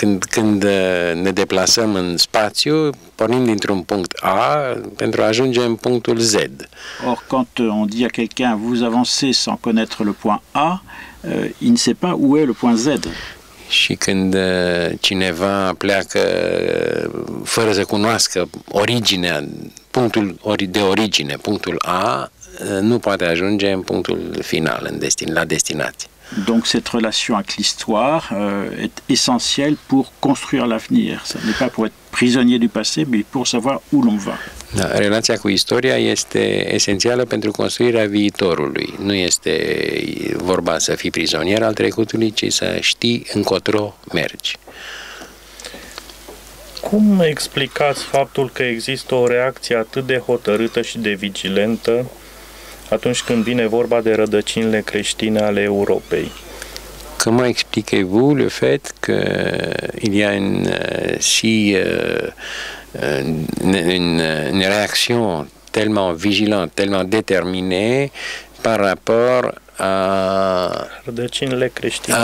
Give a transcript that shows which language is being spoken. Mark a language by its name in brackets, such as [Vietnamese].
[Romanian] Când ne deplasăm în spațiu, pornim dintr-un punct A pentru a ajunge în punctul Z. [French] Or, quand on dit à quelqu'un, vous avancez sans connaître le point A, il ne sait pas où est le point Z. [Romanian] Și când cineva pleacă fără să cunoască originea, punctul de origine, punctul A, nu poate ajunge în punctul final, la destinație. [French] Donc cette relation avec l'histoire est essentielle pour construire l'avenir. Ce n'est pas pour être prisonnier du passé, mais pour savoir où l'on va. [Romanian] Da, relația cu istoria este esențială pentru construirea viitorului. Nu este vorba să fii prizonier al trecutului, ci să știi încotro mergi. Cum explicați faptul că există o reacție atât de hotărâtă și de vigilentă atunci când vine vorba de rădăcinile creștine ale Europei? [French] Cum expliquez-vous le fait que il y a une réaction tellement vigilante, tellement déterminée par rapport à [Romanian] rădăcinile creștine,